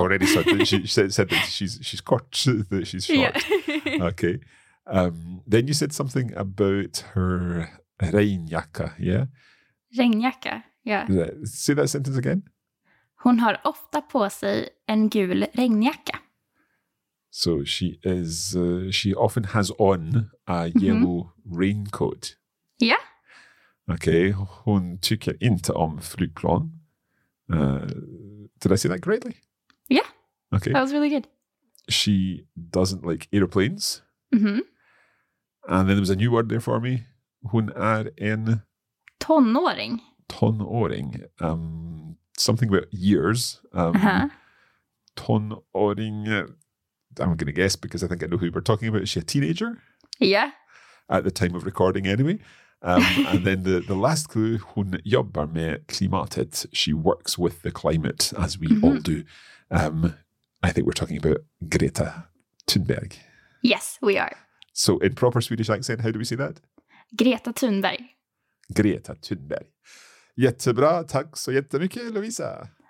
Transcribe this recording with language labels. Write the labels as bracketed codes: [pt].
[en] Already said that she said that she's kort, that she's short. Yeah. Okay. Then you said something about her regnjacka, yeah? Regnjacka, yeah. Say that sentence again. [sv] Hon har ofta på sig en gul regnjacka. [en] So she often has on a yellow raincoat. Yeah. Okay, [sv] hon tycker inte om flygplan. [en] Did I say that correctly? Yeah, okay. That was really good. She doesn't like aeroplanes. Mm-hmm. And then there was a new word there for me. [sv] Hon är en... Tonåring. [en] Tonåring. Something about years. Tonåring, I'm going to guess because I think I know who we're talking about. Is she a teenager? Yeah. At the time of recording anyway. And then the last clue, [sv] hon jobbar med klimatet. [en] She works with the climate, as we all do. I think we're talking about Greta Thunberg. Yes, we are. So in proper Swedish accent, how do we say that? Greta Thunberg. Greta Thunberg. [sv] Jättebra, tack så jättemycket, Lovisa.